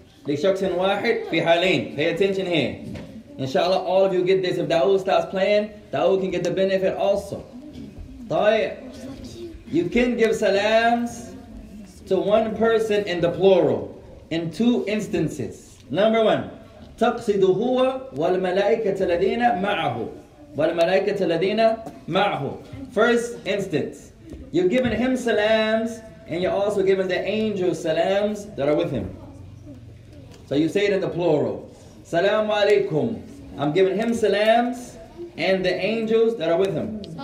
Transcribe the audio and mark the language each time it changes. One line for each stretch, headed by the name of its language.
Arabic: Li shakhs wahid fi halain.
English: Pay attention here. Inshallah, all of you get this. If Dawood starts playing, Dawood can get the benefit also.
Arabic: طيب.
English: You can give salams to one person in the plural, in two instances. Number one,
Arabic: تقصد هو والملائكة الذين معه. والملائكة الذين معه.
English: First instance, you're giving him salams, and you're also giving the angels salams that are with him. So you say it in the plural. Salam alaikum. I'm giving him salams, and the angels that are with him.